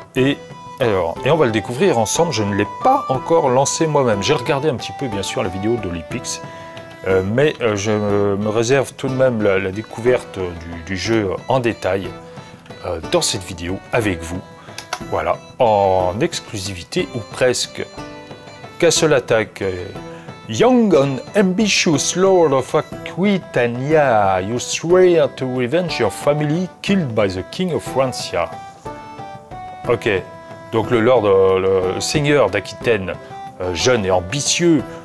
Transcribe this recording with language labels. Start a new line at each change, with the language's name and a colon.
French: Et alors, et on va le découvrir ensemble, je ne l'ai pas encore lancé moi-même. J'ai regardé un petit peu bien sûr la vidéo d'Olipix. Mais je me réserve tout de même la découverte du jeu en détail dans cette vidéo avec vous. Voilà, en exclusivité ou presque. Castle Attack.
English: Young and ambitious Lord of Aquitania, you swear to revenge your family killed by the King of Francia.
French: Ok, donc le seigneur d'Aquitaine, jeune et ambitieux.